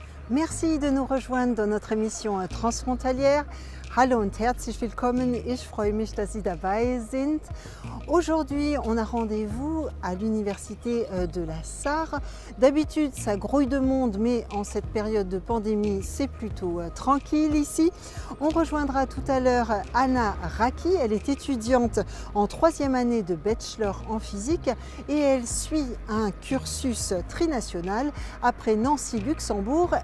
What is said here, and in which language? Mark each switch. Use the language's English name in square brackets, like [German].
[French] Merci de nous rejoindre dans notre émission transfrontalière. [German] Hallo und herzlich willkommen. Ich freue mich, dass Sie dabei sind. [French] Aujourd'hui, on a rendez-vous à l'Université de la Sarre. D'habitude, ça grouille de monde, mais en cette période de pandémie, c'est plutôt tranquille ici. On rejoindra tout à l'heure Anna Raki. Elle est étudiante en troisième année de bachelor en physique et elle suit un cursus trinational après Nancy-Luxembourg.